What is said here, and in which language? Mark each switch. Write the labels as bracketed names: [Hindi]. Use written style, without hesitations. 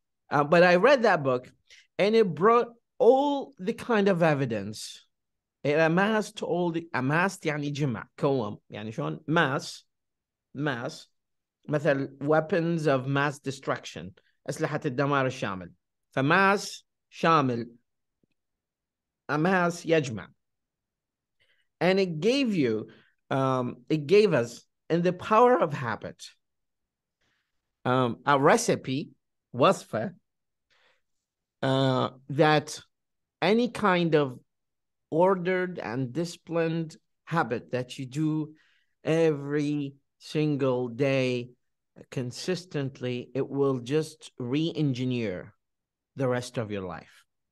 [English] But I read that book, and it brought all the kind of evidence. It amassed all the, amassed [Arabic] يعني جمع, كوم, يعني شون, [English] mass, مثل weapons of mass destruction, [Arabic] أسلحة الدمار الشامل. فماس شامل, amass يجمع. [English] And it gave you, it gave us, in the power of habit, a recipe, وصفة, that any kind of ordered and disciplined habit that you do every single day consistently, it will just re-engineer the rest of your life.